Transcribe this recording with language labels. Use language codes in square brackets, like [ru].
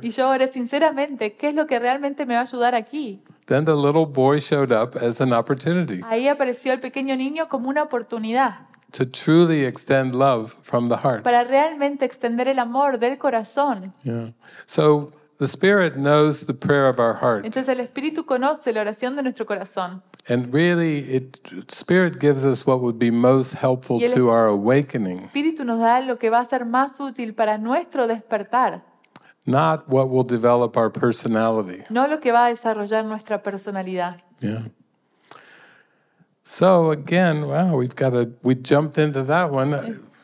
[es] Y yo oré sinceramente, ¿qué es lo que realmente me va a ayudar aquí? [en] Then the little boy showed up as an opportunity. [es] Ahí apareció el pequeño niño como una oportunidad. [en] To truly extend love from the heart. [es] Para realmente extender el amor del corazón. Yeah. [en] So the Spirit knows the prayer of our heart. [es] Entonces el Espíritu conoce la oración de nuestro corazón. [en] And really, the Spirit gives us what would be most helpful to our awakening. [es] El Espíritu nos da lo que va a ser más útil para nuestro despertar. [en] Not what will develop our personality. [es] No lo que va a desarrollar nuestra personalidad. Yeah. [en] So again, wow, we jumped into that one.